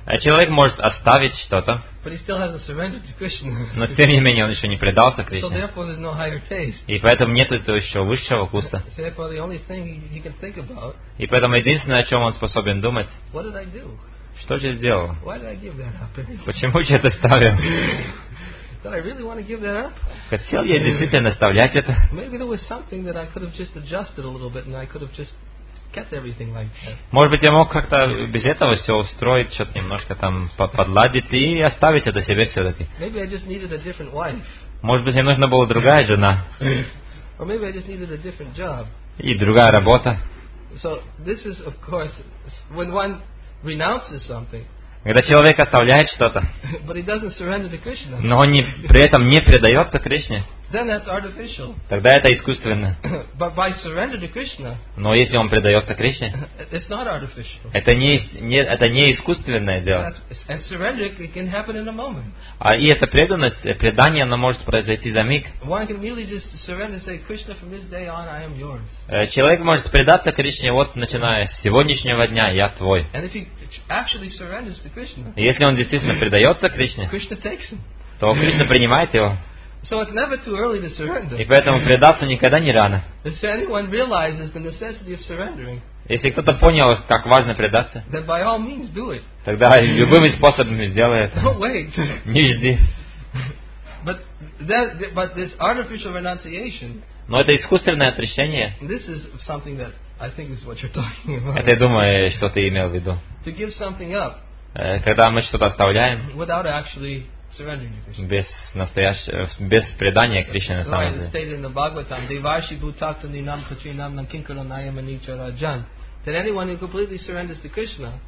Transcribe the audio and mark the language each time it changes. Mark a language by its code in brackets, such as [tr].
[ru] Человек может оставить что-то, [en] but he still hasn't surrendered to Krishna. [ru] Но тем не менее он еще не предался Кришне. [en] So therefore, there's no higher taste. [ru] И поэтому нет этого еще высшего вкуса. [en] So therefore, the only thing he can think about, [ru] и поэтому единственное, о чем он способен думать, [en] what did I do? [ru] Что же сделал? [en] Why did I give that up? [ru] Почему же это ставил? [en] Did I really want to give that up? [ru] Хотел я действительно оставлять это? [en] Maybe there was something that I could have just adjusted a little bit, and I could have just kept everything like that. [ru] Может быть, я мог как-то без этого все устроить, что-то немножко там подладить и оставить это себе все-таки. [en] Maybe I just needed a different wife. [ru] Может быть, мне нужна была другая жена. [en] Or maybe I just needed a different job. [ru] И другая работа. [en] So this is, of course, when one renounces something. [ru] Когда человек оставляет что-то, [en] but he doesn't surrender to Krishna. [ru] Но он не, при этом не предается Кришне. [en] Then that's artificial. [ru] Тогда это искусственно. [en] But by surrender to Krishna. [ru] Но если он предается Кришне, [en] it's not artificial. [ru] Это не искусственное дело. [en] And surrender can happen in a moment. [ru] А и эта преданность, предание, оно может произойти за миг. [en] One can merely just surrender and say, Krishna, from this day on, I am yours. [ru] Человек может предаться Кришне, вот начиная с сегодняшнего дня, я твой. [en] And if he actually surrenders to Krishna. [ru] Если он действительно предается Кришне, [en] Krishna takes him. [ru] То Кришна принимает его. [en] So it's never too early to surrender. [ru] И поэтому предаться никогда не рано. [en] If anyone realizes the necessity of surrendering, [ru] если кто-то понял, как важно предаться, [en] then by all means do it. [ru] Тогда любыми способами сделай это. [en] Don't wait. [ru] Не жди. [en] But this artificial renunciation. [ru] Но это искусственное отречение. [en] This is something that I think is what you're talking about. [ru] Это, я думаю, что ты имел в виду. [en] To give something up. [ru] Когда мы что-то оставляем. [en] Without actually surrendering to Krishna. [ru] Без предания Кришне на самом деле. [en] It's stated in the Bhagavatam, Devarshi Bhutakta Ninam Patrinam Nankinkara Nayama Nichara Jan. That anyone who completely surrenders to Krishna.